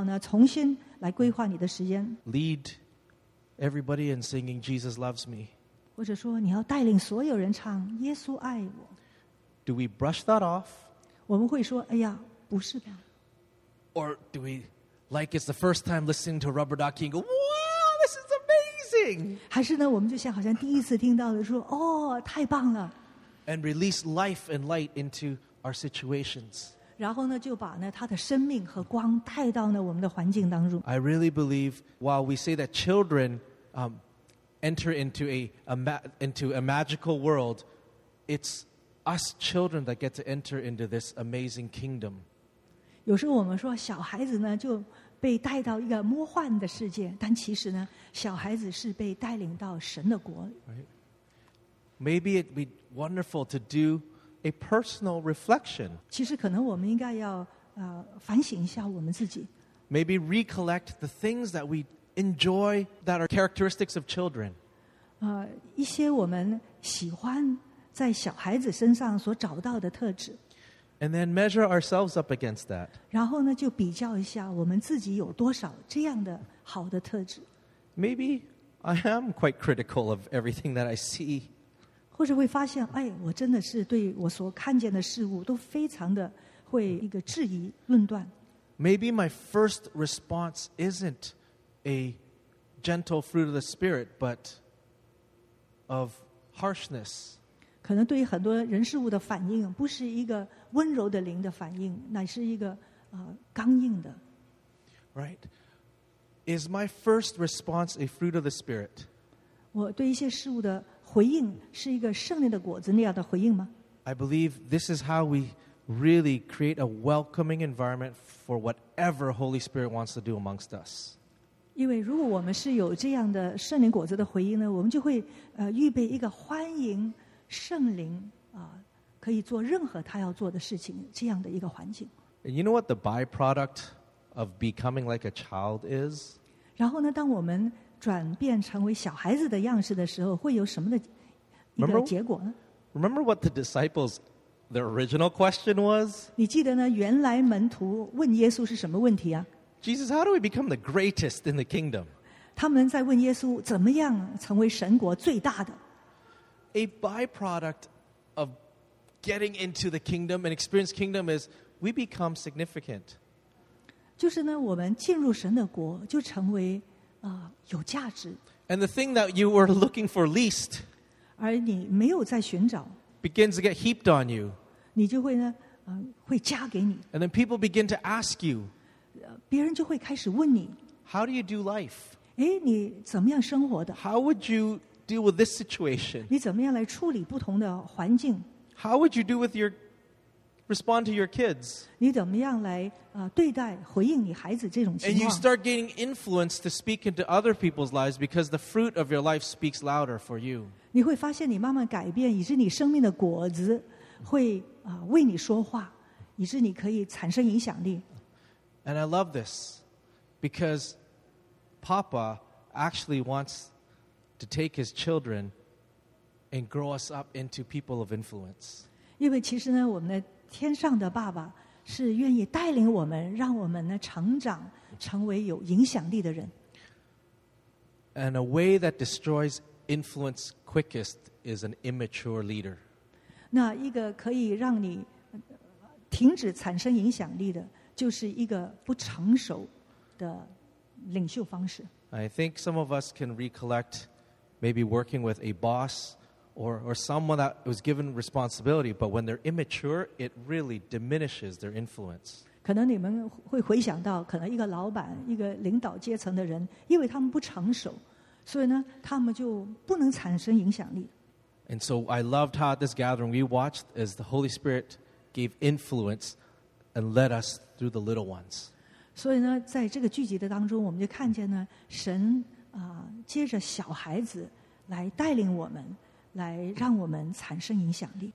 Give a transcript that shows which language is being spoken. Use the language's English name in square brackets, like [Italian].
[Chinese] 或者说,你留在家里,但是呢,你要呢,重新来规划你的时间。 [English] Lead everybody in singing, Jesus loves me. [Chinese] 或者说,你要带领所有人唱,耶稣爱我。 [English] Do we brush that off? [Chinese] 我们会说,哎呀,不是吧。 [English] Or do we, like it's the first time listening to Rubber Ducky and go, wow, this is amazing! [Chinese] 还是呢,我们就像好像第一次听到的说,哦,太棒了。 [English] And release life and light into our situations. [Chinese] 然后呢,就把呢,他的生命和光带到呢,我们的环境当中。 [English] I really believe, while we say that children enter into a magical world, it's us children that get to enter into this amazing kingdom. [Chinese] 有时候我们说小孩子呢就被带到一个魔幻的世界，但其实呢，小孩子是被带领到神的国。 [English] Maybe it'd be wonderful to do a personal reflection. [Chinese] 其实可能我们应该要反省一下我们自己。 [English] Maybe recollect the things that we enjoy that are characteristics of children. [Chinese] 一些我们喜欢在小孩子身上所找到的特质。 [English] And then measure ourselves up against that. [Chinese] 然后呢，就比较一下我们自己有多少这样的好的特质。 [English] Maybe I am quite critical of everything that I see. [Chinese] 或者会发现，哎，我真的是对我所看见的事物都非常的会一个质疑论断。 [English] Maybe my first response isn't a gentle fruit of the spirit, but of harshness. [Chinese] 可能对于很多人事物的反应不是一个温柔的灵的反应，乃是一个刚硬的。 [English] Right. Is my first response a fruit of the Spirit? [Chinese] 我对一些事物的回应是一个圣灵的果子那样的回应吗？ [English] I believe this is how we really create a welcoming environment for whatever Holy Spirit wants to do amongst us. [Chinese] 因为如果我们是有这样的圣灵果子的回应呢，我们就会预备一个欢迎圣灵可以做任何他要做的事情这样的一个环境。 [English] And you know what the byproduct of becoming like a child is? [Chinese] 然后呢，当我们转变成为小孩子的样式的时候，会有什么的一个结果呢？ [English] Remember what the disciples, their original question was? [Chinese] 你记得呢？原来门徒问耶稣是什么问题啊？ [English] Jesus, how do we become the greatest in the kingdom? [Chinese] 他们在问耶稣怎么样成为神国最大的。 [English] A byproduct of getting into the kingdom and experience kingdom is we become significant. [Chinese] 就是呢，我们进入神的国就成为有价值。 [English] And the thing that you were looking for least, [Chinese] 而你没有在寻找 [English] begins to get heaped on you. [Chinese] 你就会呢，会加给你。 [English] And then people begin to ask you, [Chinese] 别人就会开始问你 [English] how do you do life? [Chinese] 哎，你怎么样生活的 [English] ？How would you? Deal with this situation. [Chinese] 你怎么样来处理不同的环境 [English] ？How would you do with your respond to your kids? [Chinese] 你怎么样来对待回应你孩子这种情况 [English] ？And you start gaining influence to speak into other people's lives because the fruit of your life speaks louder for you. [Chinese] 你会发现你慢慢改变，以致你生命的果子会为你说话，以致你可以产生影响力。 [English] And I love this because Papa actually wants. To take his children and grow us up into people of influence. [Chinese] 因为其实呢，我们的天上的爸爸是愿意带领我们，让我们呢成长，成为有影响力的人。 [English] And a way that destroys influence quickest is an immature leader. [Chinese] 那一个可以让你停止产生影响力的，就是一个不成熟的领袖方式。 [English] I think some of us can recollect. Maybe working with a boss or someone that was given responsibility, but when they're immature, it really diminishes their influence. [Chinese] 可能你们会回想到，可能一个老板、一个领导阶层的人，因为他们不成熟，所以呢，他们就不能产生影响力。 [English] And so I loved how at this gathering we watched as the Holy Spirit gave influence and led us through the little ones. [Chinese] 所以呢，在这个聚集的当中，我们就看见呢，神。接着小孩子来带领我们，来让我们产生影响力。